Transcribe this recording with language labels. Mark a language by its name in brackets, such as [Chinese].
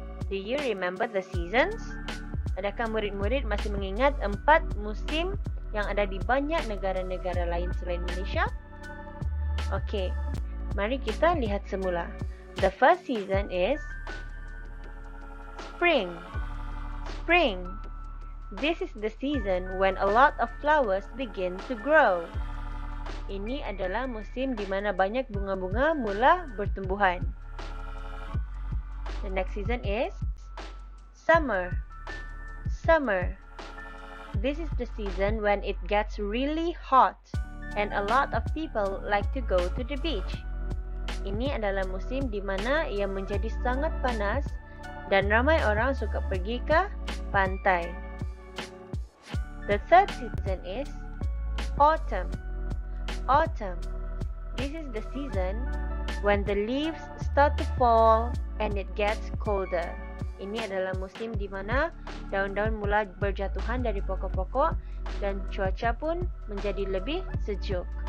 [English] Do you remember the seasons? [Malay] Adakah murid-murid masih mengingat empat musim yang ada di banyak negara-negara lain selain Malaysia? [English] Okay, [Malay] mari kita lihat semula. [English] The first season is spring. Spring. This is the season when a lot of flowers begin to grow. [Malay] Ini adalah musim di mana banyak bunga-bunga mula bertumbuhan. [English] The next season is summer. Summer. This is the season when it gets really hot and a lot of people like to go to the beach. [Malay] Ini adalah musim di mana ia menjadi sangat panas dan ramai orang suka pergi ke pantai. [English] The third season is autumn. Autumn. This is the season when the leaves start to fall and it gets colder. [Malay] Ini adalah musim di mana daun-daun mula berjatuhan dari pokok-pokok dan cuaca pun menjadi lebih sejuk.